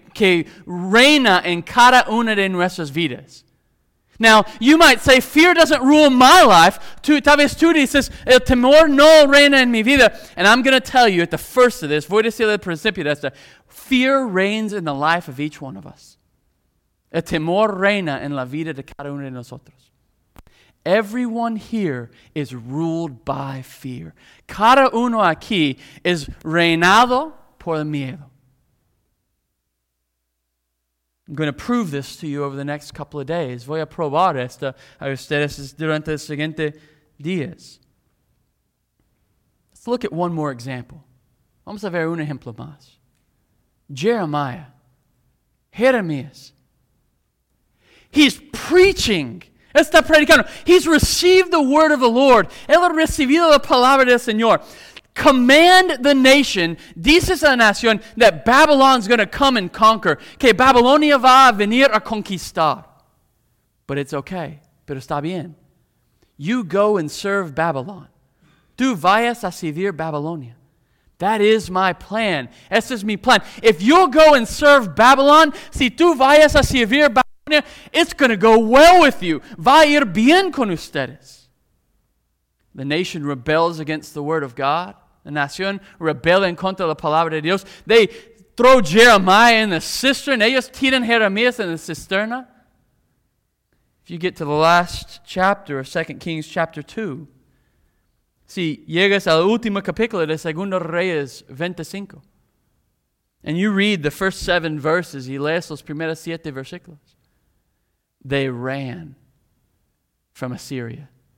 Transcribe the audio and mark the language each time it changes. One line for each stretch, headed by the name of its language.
Spanish: que reina en cada una de nuestras vidas.
English: Now, you might say, fear doesn't rule my life.
Spanish: Tal vez tú dices, el temor no reina en mi vida.
English: And I'm going to tell you at the first of this,
Spanish: voy a decirle al principio de esto,
English: fear reigns in the life of each one of us.
Spanish: El temor reina en la vida de cada uno de nosotros.
English: Everyone here is ruled by fear. Cada uno aquí es reinado por el miedo. I'm going to prove this to you over the next couple of days.
Spanish: Voy a probar esto a ustedes durante los siguientes días.
English: Let's look at one more example.
Spanish: Vamos a ver un ejemplo más.
English: Jeremiah.
Spanish: Jeremías.
English: He's preaching.
Spanish: Está predicando.
English: He's received the word of the Lord.
Spanish: Él ha recibido la palabra del Señor.
English: Command the nation,
Spanish: dices a la nación,
English: that Babylon's going to come and conquer.
Spanish: Que Babilonia va a venir a conquistar.
English: But it's okay.
Spanish: Pero está bien.
English: You go and serve Babylon.
Spanish: Tú vayas a servir Babilonia.
English: That is my plan.
Spanish: Este es mi plan.
English: If you'll go and serve Babylon,
Spanish: si tú vayas a servir Babilonia,
English: it's going to go well with you. Va a ir bien con ustedes. The nation rebels against the word of God.
Spanish: La nación rebela en contra de la palabra de Dios.
English: They throw Jeremiah in the cistern.
Spanish: Ellos tiran Jeremías en la cisterna.
English: If you get to the last chapter of 2 Kings chapter 2,
Spanish: si llegas al último capítulo de 2 Reyes 25,
English: and you read the first 7 verses,
Spanish: y lees los primeros 7 versículos,
English: they ran from Assyria.